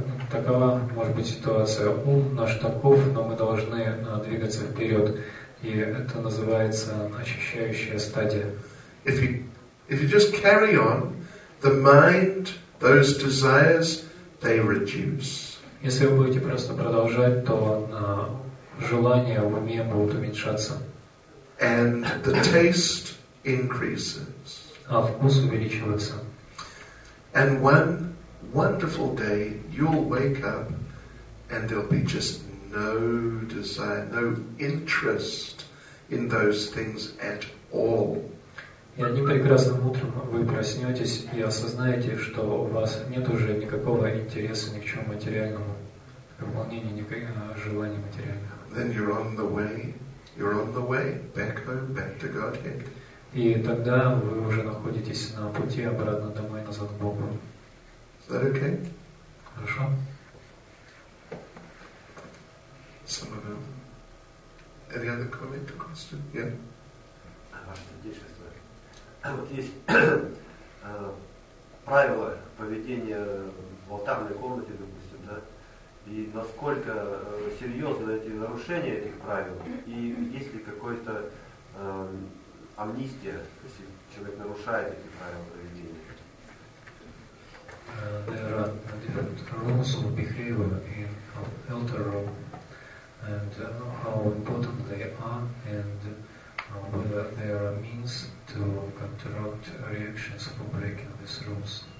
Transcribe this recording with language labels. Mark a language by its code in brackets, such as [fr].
[ru] Такова может быть ситуация. Ум наш таков, но мы должны двигаться вперед. И это называется очищающая стадия. [en] If you just carry on, the mind, those desires, they reduce. [ru] Если вы будете просто продолжать, то желания в уме будут уменьшаться. [en] And the taste increases. [ru] А вкус увеличивается. [en] And one wonderful day you'll wake up and there'll be just no desire, no interest in those things at all. [ru] И одним прекрасным утром вы проснетесь и осознаете, что у вас нет уже никакого интереса ни к чему материальному. выполнение желаний материальных. [en] Then you're on the way. You're on the way back home, back to Godhead. [ru] И тогда вы уже находитесь на пути обратно домой, назад к Богу. [en] Is that okay? [ru] Хорошо. [en] Some of them. Any other comment or question? Yeah. [ru] Ваше действие. Вот есть правила поведения в алтарной комнате, допустим, да? И насколько серьезны эти нарушения этих правил? И есть ли какой-то амнистия, если человек нарушает эти правила поведения? [en] There are different rules of behavior in altar room, and how important they are, and whether there are means to counteract reactions for breaking these rules.